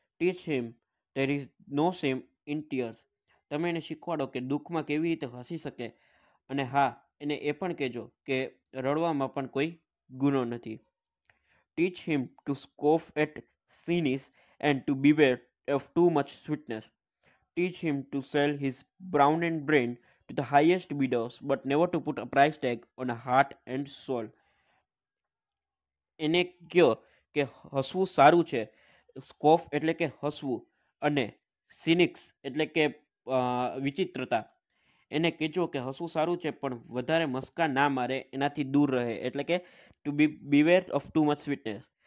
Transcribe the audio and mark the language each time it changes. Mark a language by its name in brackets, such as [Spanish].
[English] Teach him there is no shame in tears. [Gujarati] તમે એને શીખવાડો કે દુઃખમાં કેવી રીતે હસી શકે, અને હા એને એ પણ કહેજો કે રડવામાં પણ કોઈ ગુનો નથી. [English] Teach him to scoff at cynics and to beware of too much sweetness. teach him to sell his brown and brain to the highest bidders, but never to put a price tag on a heart and soul. [Gujarati] એને કહ્યો કે હસવું સારું છે, સ્કોફ એટલે કે હસવું, અને સિનિક્સ એટલે કે વિચિત્રતા. એને કહેજો કે હસવું સારું છે પણ વધારે મસ્કા ના મારે, એનાથી દૂર રહે, એટલે કે [English] To be beware of too much sweetness.